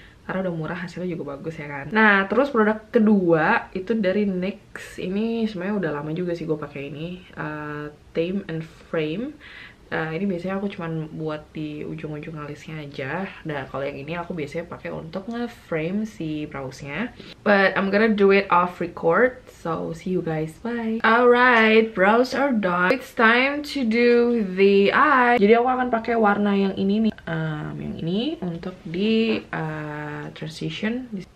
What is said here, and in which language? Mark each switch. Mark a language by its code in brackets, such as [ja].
[id] karena udah murah, hasilnya juga bagus ya kan. Nah, terus produk kedua itu dari NYX. Ini sebenarnya udah lama juga sih gue pakai ini, Tame and Frame. Ini biasanya aku cuman buat di ujung-ujung alisnya aja. Dan kalau yang ini aku biasanya pakai untuk nge-frame si brows-nya. [en] But I'm gonna do it off record, so see you guys, bye. Alright, brows are done. It's time to do the eye. [id] Jadi aku akan pakai warna yang ini nih, yang ini untuk di transition.